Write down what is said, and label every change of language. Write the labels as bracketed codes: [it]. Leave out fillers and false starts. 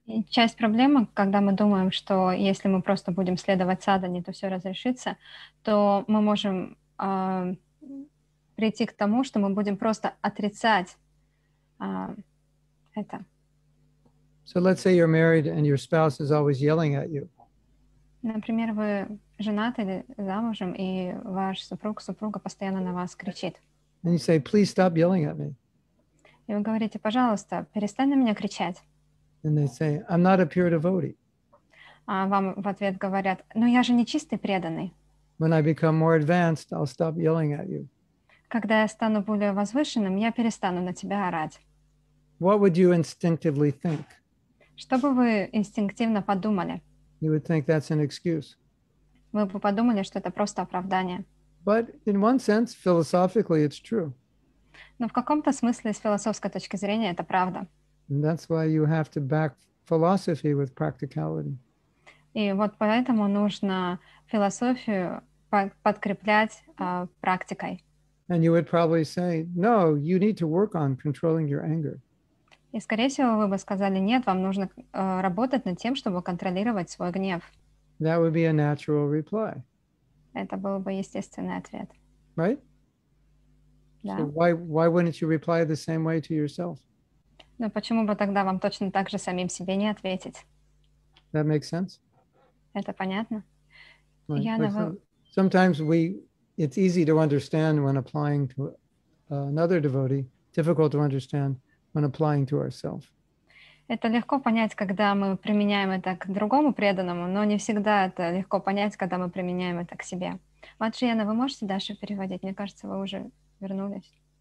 [ru] Часть проблемы, когда мы думаем, что если мы просто будем следовать садхане, то все разрешится, то мы можем прийти к тому, что мы будем просто отрицать это. [en] So let's say you're married and your spouse is always yelling at you. [ru] Например, вы женаты или замужем, и ваш супруг-супруга постоянно на вас кричит. [en] And you say, please stop yelling at me. [ru] И вы говорите, пожалуйста, перестань на меня кричать. [en] And they say, I'm not a pure devotee. [ru] А вам в ответ говорят, ну я же не чистый преданный. [en] When I become more advanced, I'll stop yelling at you. [ru] Когда я стану более возвышенным, я перестану на тебя орать. [en] What would you instinctively think? [ru] Что бы вы инстинктивно подумали? [en] You would think that's an excuse. [ru] Вы бы подумали, что это просто оправдание. [en] But in one sense, philosophically, it's true. [ru] Но в каком-то смысле, с философской точки зрения, это правда. [en] And that's why you have to back philosophy with practicality. [ru] И вот поэтому нужно философию подкреплять практикой. [en] And you would probably say, no, you need to work on controlling your anger. [ru] И, скорее всего, вы бы сказали, нет, вам нужно работать над тем, чтобы контролировать свой гнев. [en] That would be a natural reply. [ru] Это был бы естественный ответ. [en] Right? [ru] Да. [en] So why wouldn't you reply the same way to yourself? [ru] Ну почему бы тогда вам точно так же самим себе не ответить? [en] That makes sense? [ru] Это понятно. [en] Right. Sometimes it's easy to understand when applying to another devotee, difficult to understand when applying to ourselves. [ru] Это легко понять, когда мы применяем это к другому преданному, но не всегда это легко понять, когда мы применяем это к себе. Матшиена, вы можете дальше переводить? Мне кажется, вы уже вернулись.